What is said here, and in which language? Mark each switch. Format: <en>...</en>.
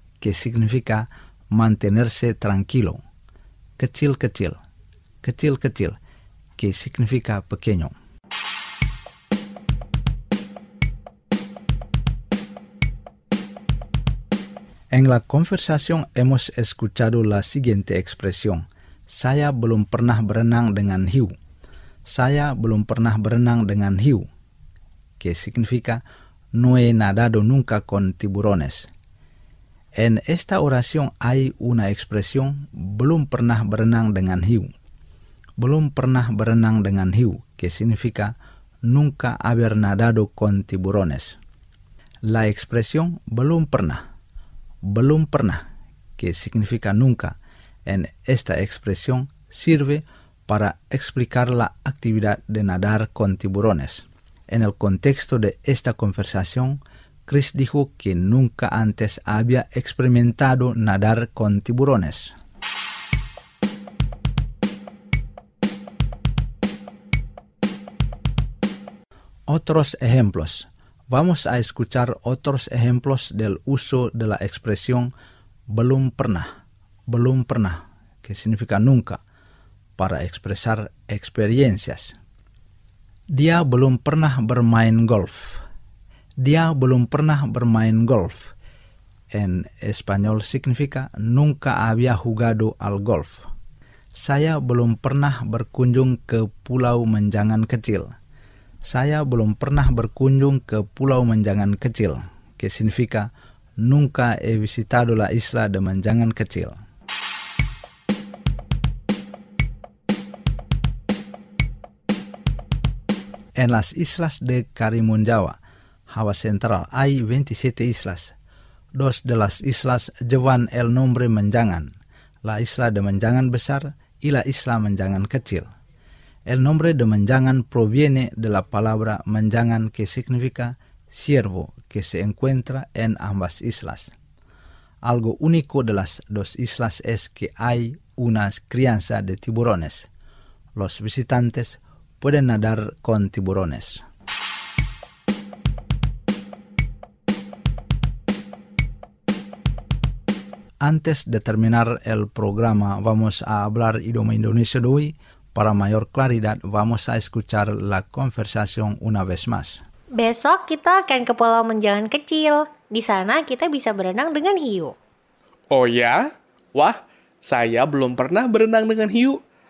<es>Que significa mantenerse tranquilo.</es> <id>Kecil-kecil. Kecil-kecil.</id> <es>Que significa pequeño. En la conversación hemos escuchado la siguiente expresión.</es> <id>Saya belum pernah berenang dengan hiu. Saya belum pernah berenang dengan hiu.</id> <es>Que significa No he nadado nunca con tiburones. En esta oración hay una expresión</es> <id>Belum pernah berenang dengan hiu. Belum pernah berenang dengan hiu.</id> <es>Que significa Nunca haber nadado con tiburones. La expresión</es> <id>Belum pernah. Belum pernah.</id> <es>Que significa nunca. En esta expresión sirve para explicar la actividad de nadar con tiburones. En el contexto de esta conversación, Chris dijo que nunca antes había experimentado nadar con tiburones. Otros ejemplos. Vamos a escuchar otros ejemplos del uso de la expresión belum pernah. Belum pernah, que significa nunca, para expresar experiencias.</es> <id>Dia belum pernah bermain golf. Dia belum pernah bermain golf.</id> <es>En español significa nunca había jugado al golf.</es> <id>Saya belum pernah berkunjung ke Pulau Menjangan Kecil. Saya belum pernah berkunjung ke Pulau Menjangan Kecil.</id> <es>Que significa nunca he visitado la isla de Menjangan Kecil. En las islas de Karimun Jawa, Java Central, hay 27 islas. Dos de las islas llevan el nombre Menjangan, la isla de Menjangan Besar y la isla Menjangan Kecil. El nombre de manjangan proviene de la palabra manjangan que significa ciervo, que se encuentra en ambas islas. Algo único de las dos islas es que hay una crianza de tiburones. Los visitantes pueden nadar con tiburones. Antes de terminar el programa, vamos a hablar idioma indonesio de hoy. Para mayor claridad, vamos a escuchar la conversación una vez más.</es> <id>Besok kita akan ke Pulau Menjangan Kecil. Di sana kita bisa berenang dengan hiu. Oh ya? Wah, saya belum pernah berenang dengan hiu.</id>